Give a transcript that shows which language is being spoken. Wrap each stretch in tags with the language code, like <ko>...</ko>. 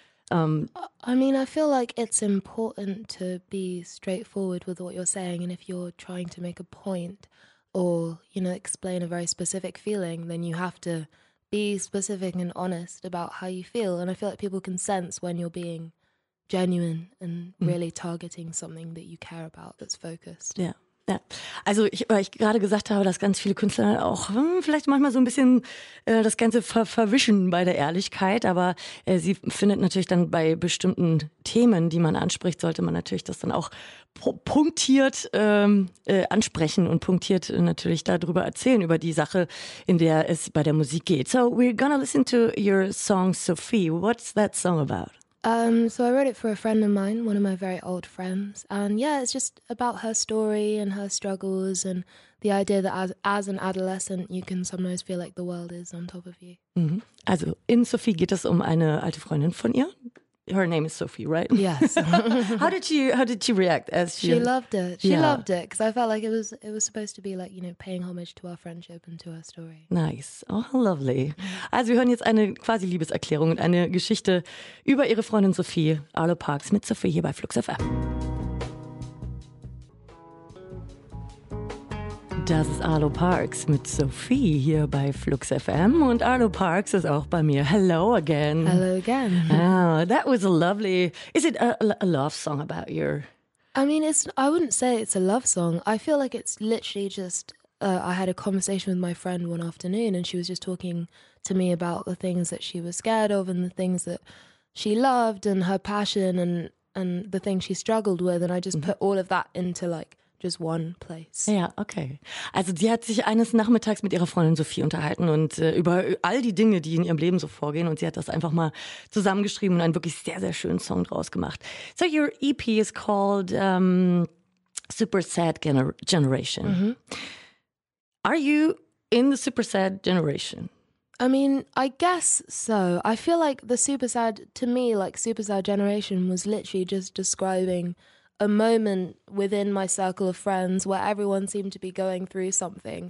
<en>I feel like it's important to be straightforward with what you're saying, and if you're trying to make a point or, you know, explain a very specific feeling, then you have to be specific and honest about how you feel. And I feel like people can sense when you're being genuine and really targeting something that you care about, that's focused. Yeah.</en> <de>Ja. Also weil ich gerade gesagt habe, dass ganz viele Künstler auch vielleicht manchmal so ein bisschen das Ganze verwischen bei der Ehrlichkeit, aber sie findet natürlich dann bei bestimmten Themen, die man anspricht, sollte man natürlich das dann auch punktiert ansprechen und punktiert natürlich darüber erzählen, über die Sache, in der es bei der Musik geht.</de> <en>So we're gonna listen to your song Sophie. What's that song about? So I wrote it for a friend of mine, one of my very old friends, and yeah, it's just about her story and her struggles and the idea that as an adolescent you can sometimes feel like the world is on top of you. Mm-hmm.</en> <de>Also in Sophie geht es um eine alte Freundin von ihr.</de> <en>Her name is Sophie, right? Yes. How did she react as she? She loved it. She loved it because I felt like it was supposed to be like, you know, paying homage to our friendship and to our story. Nice. Oh, lovely.</en> <de>Also, wir hören jetzt eine quasi Liebeserklärung und eine Geschichte über ihre Freundin Sophie, Arlo Parks, mit Sophie hier bei Flux FM. Das ist Arlo Parks mit Sophie hier bei Flux FM. Und Arlo Parks ist auch bei mir.</de> <en>Hello again.</en> <de>Hello again.</de> <en>Oh, that was a lovely. Is it a love song about your? I mean, it's. I wouldn't say it's a love song. I feel like it's literally just. I had a conversation with my friend one afternoon, and she was just talking to me about the things that she was scared of and the things that she loved and her passion and the things she struggled with. And I just put all of that into like just one place.</en> <de>Ja, okay. Also sie hat sich eines Nachmittags mit ihrer Freundin Sophie unterhalten und über all die Dinge, die in ihrem Leben so vorgehen. Und sie hat das einfach mal zusammengeschrieben und einen wirklich sehr, sehr schönen Song draus gemacht.</de> <en>So your EP is called Super Sad Generation. Mm-hmm. Are you in the super sad generation? I mean, I guess so. I feel like the super sad, to me, like super sad generation was literally just describing a moment within my circle of friends where everyone seemed to be going through something.</en>